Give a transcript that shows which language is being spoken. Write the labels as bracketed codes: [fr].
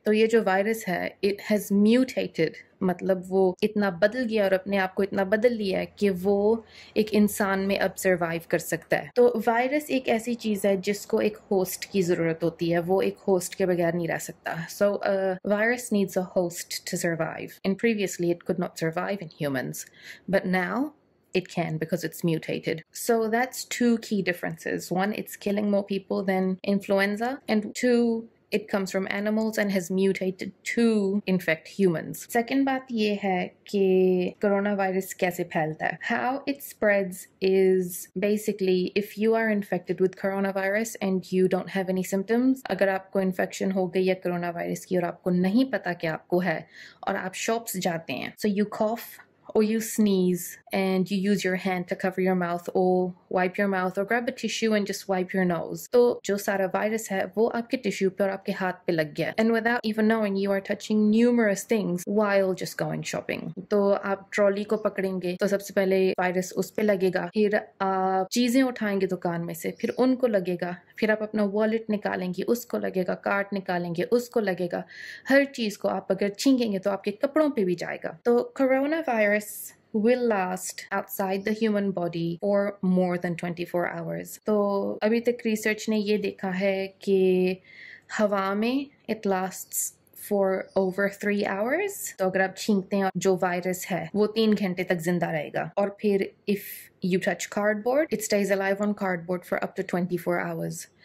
[hi] तो ये जो वायरस है [en] it has mutated, [hi] मतलब वो इतना बदल गया और अपने आप को इतना बदल लिया है कि वो एक इंसान में अब सर्वाइव कर सकता है। तो वायरस एक ऐसी चीज है जिसको एक होस्ट की जरूरत होती है, वो एक होस्ट के बगैर नहीं रह सकता। [en] So virus needs a host to survive. In previously it could not survive in humans, but now it can because it's mutated. So that's two key differences. One, it's killing more people than influenza, and two, it comes from animals and has mutated to infect humans. [hi] Second बात ये है कि corona virus कैसे फैलता है। [en] How it spreads is basically if you are infected with coronavirus and you don't have any symptoms, [hi] अगर आपको infection हो गई है कोरोना वायरस की और आपको नहीं पता कि आपको है और आप शॉप्स जाते हैं, [en] So you cough or you sneeze and you use your hand to cover your mouth or wipe your mouth or grab a tissue and just wipe your nose. [hi] तो जो सारा वायरस है वो आपके टिश्यू पे और आपके हाथ पे लग गया। [en] And without even knowing, you are touching numerous things while just going shopping. [hi] तो आप ट्रॉली को पकड़ेंगे तो सबसे पहले वायरस उस पे लगेगा, फिर आप चीजें उठाएंगे दुकान में से फिर उनको लगेगा, फिर आप अपना वॉलेट निकालेंगे उसको लगेगा, कार्ड निकालेंगे उसको लगेगा, हर चीज को आप अगर छींकेंगे तो आपके कपड़ों पे भी जाएगा। [en] तो corona virus will last outside the human body for more than 24 hours. [hi] So, अभी तक रिसर्च ने ये देखा है कि हवा में [en] it lasts for over 3 hours. [hi] तो अगर आप छींकते हैं जो वायरस है वो 3 घंटे तक जिंदा रहेगा, और फिर [en] if you touch cardboard, it stays alive on cardboard for up to 24 hours.